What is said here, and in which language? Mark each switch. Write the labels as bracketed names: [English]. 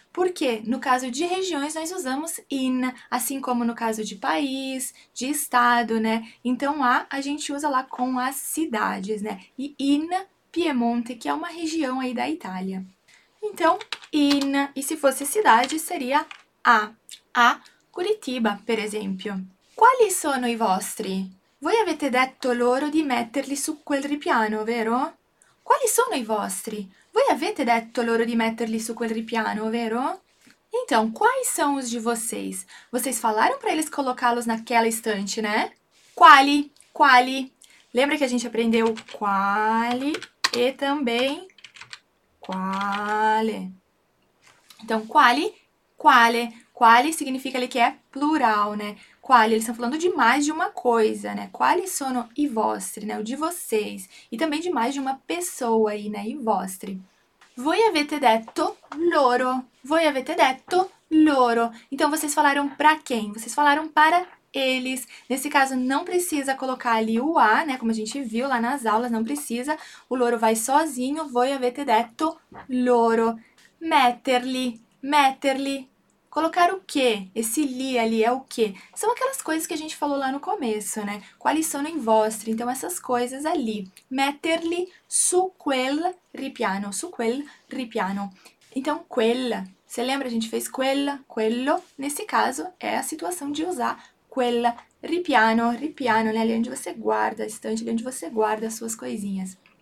[Portuguese] Porque no caso de regiões nós usamos in, assim como no caso de país, de estado, né? Então a gente usa lá com as cidades, né? E in Piemonte, que é uma região aí da Itália. Então, in, e se fosse cidade, seria a Curitiba, [Italian] per esempio. Quali sono i vostri? Voi avete detto loro di metterli su quel ripiano, vero? Quali sono i vostri? Voi avete detto loro di metterli su quel ripiano, vero? [Portuguese] Então, quais são os de vocês? Vocês falaram para eles colocá-los naquela estante, né? [Italian] Quali? Quali? [Portuguese] Lembra que a gente aprendeu quali e também quale? Então, quali? Quale? Quali significa ali que é plural, né? Quali, eles estão falando de mais de uma coisa, né? [Italian] Quali sono i vostri, [Portuguese] né? O de vocês. E também de mais de uma pessoa aí, né? I vostri. [Italian] Voi avete detto loro. Voi avete detto loro. [Portuguese] Então, vocês falaram para quem? Vocês falaram para eles. Nesse caso, não precisa colocar ali o A, né? Como a gente viu lá nas aulas, não precisa. O loro vai sozinho. [Italian] Voi avete detto loro. [Portuguese] Metterli, metterli. Colocar o quê? Esse li ali é o quê? São aquelas coisas que a gente falou lá no começo, né? [Italian] Quali sono i vostri? [Portuguese] Então, essas coisas ali. [Italian] Metterli su quel ripiano. Su quel ripiano. Então, quel. [Portuguese] Você lembra? A gente fez quel, quello. Nesse caso, é a situação de usar quel ripiano. Ripiano, né? Ali onde você guarda a estante, ali onde você guarda as suas coisinhas.